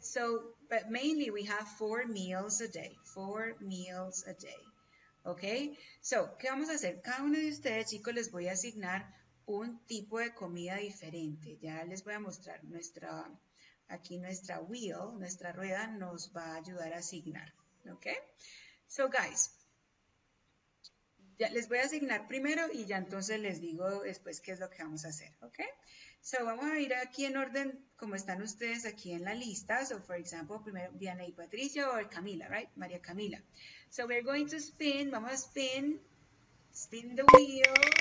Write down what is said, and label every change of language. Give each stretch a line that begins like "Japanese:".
English: So, but mainly we have 4 meals a day. 4 meals a day. Okay. So,
Spanish: ¿qué vamos a hacer? Cada uno de ustedes, chicos, les voy a asignar un tipo de comida diferente. Ya les voy a mostrar nuestra wheel, nuestra rueda nos va a ayudar a asignar. Okay. So, guys, ya les voy a asignar primero y ya entonces les digo después qué es lo que vamos a hacer, ¿ok? So, vamos a ir aquí en orden como están ustedes aquí en la lista. So, for example, primero Diana y Patricia o Camila, right? María Camila.
English: So, we're going to spin,
Spanish: vamos a
English: spin the wheel.